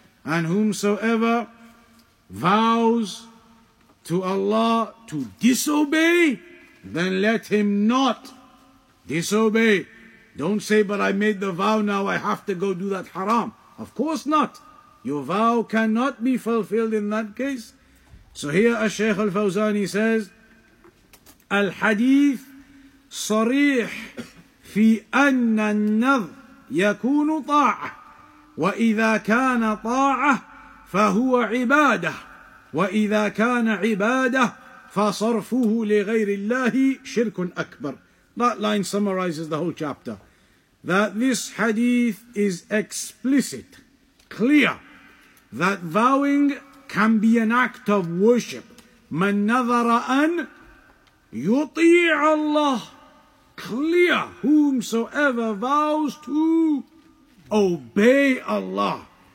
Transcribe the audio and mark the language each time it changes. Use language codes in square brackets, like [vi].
[en] And whomsoever vows to Allah to disobey, then let him not disobey. Don't say, but I made the vow, now I have to go do that haram. Of course not. Your vow cannot be fulfilled in that case. So here a Shaykh al-Fawzani says, [ar] Al-Hadith صريح في أن النذر يكون طاعة وإذا كان طاعة فهو عبادة وإذا كان عبادة فصرفه لغير الله شرك أكبر. [en] That line summarizes the whole chapter. That this hadith is explicit, clear, that vowing can be an act of worship. [ar] من نذر أن يطيع الله. [en] Clear, whomsoever vows to obey Allah.